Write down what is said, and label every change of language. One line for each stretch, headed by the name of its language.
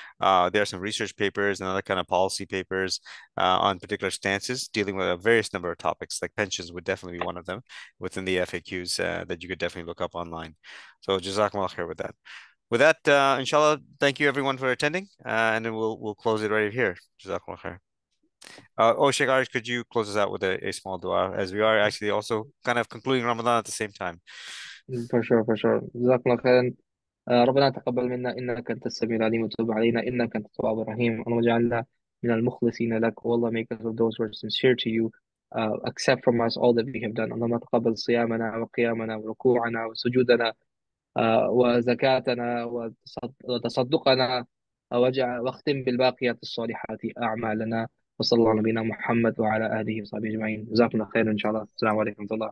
English: There are some research papers and other kind of policy papers on particular stances dealing with a various number of topics, like pensions would definitely be one of them within the FAQs that you could definitely look up online. So Jazakum Allah khair with that. With that, inshallah, thank you everyone for attending, and then we'll close it right here. Jazakum Allah khair. Sheikh Aarij, could you close us out with a small dua, as we are actually also kind of concluding Ramadan at the same time? For sure.
Arabic: جزاك الله خيرا. ربنا تقبل منا إنك أنت السميع العليم وتوب علينا إنك أنت التواب الرحيم. اللهم اجعلنا من المخلصين لك. والله
English: make us of those who are sincere to you. Accept from us all that we have done.
Arabic: اللهم تقبل صيامنا وقيامنا وركوعنا وسجودنا وزكاتنا وتصدقنا واختم بالباقيات الصالحات أعمالنا. وصلى الله نبينا محمد وعلى آله وصحبه أجمعين. جزاك الله خيرا إن شاء الله. السلام عليكم ورحمة الله.